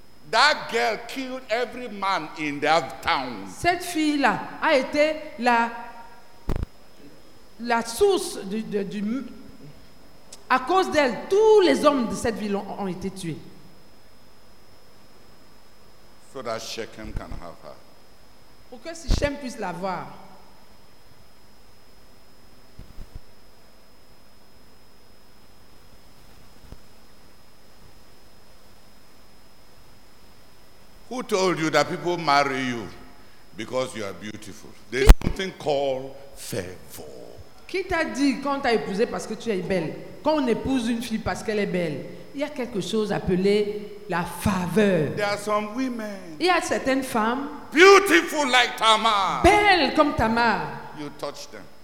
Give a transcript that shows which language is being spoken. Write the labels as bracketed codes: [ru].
[en] That girl killed every man in that town. [fr] Cette fille-là a été la source du. À cause d'elle, tous les hommes de cette ville ont été tués. [en] So that Shechem can have her. [fr] Pour que Shechem puisse l'avoir. [en] Who told you that people marry you because you are beautiful? There's something called favour. [fr] Qui t'a dit qu'on t'a épousé parce que tu es belle? Quand on épouse une fille parce qu'elle est belle, il y a quelque chose appelé la faveur. [en] There are some women. [fr] Il y a certaines femmes. [en] Beautiful like Tamar. [fr] Belle comme Tamar. [en] You touch them.